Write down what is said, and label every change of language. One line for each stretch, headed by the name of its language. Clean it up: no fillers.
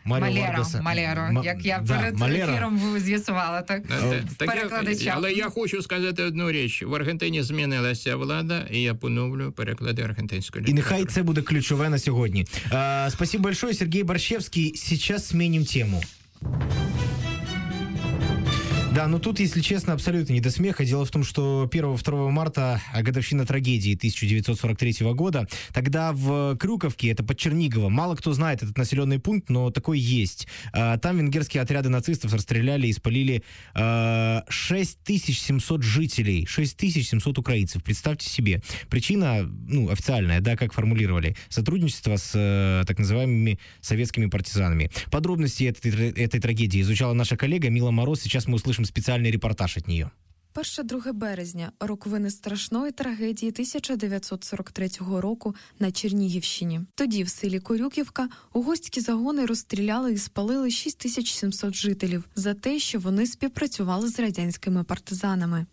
Ukrainian: Малеро, як я перед ефіром з'ясувала. Так, перекладача. Але я хочу сказати одну річ. В Аргентині змінилася влада, і я поновлю переклади аргентинської літератури. І нехай це буде ключове на сьогодні.
Russian: Спасибо большое,
Ukrainian: Сергій Борщевський.
Russian: Сейчас сменим тему. Да, но тут, если честно, абсолютно не до смеха. Дело в том, что 1-2 марта, годовщина трагедии 1943 года, тогда в Крюковке, это под Черниговом, мало кто знает этот населенный пункт, но такой есть, там венгерские отряды нацистов расстреляли и спалили 6700 жителей, 6700 украинцев, представьте себе. Причина, ну, официальная, да, как формулировали, сотрудничество с так называемыми советскими партизанами. Подробности этой трагедии изучала наша коллега Мила Мороз, сейчас мы услышим
Ukrainian: спеціальний репортаж від неї. 1-2 березня – роковини страшної трагедії 1943 року на Чернігівщині. Тоді в селі Корюківка угорські загони розстріляли і спалили 6700 жителів за те, що вони співпрацювали з радянськими партизанами.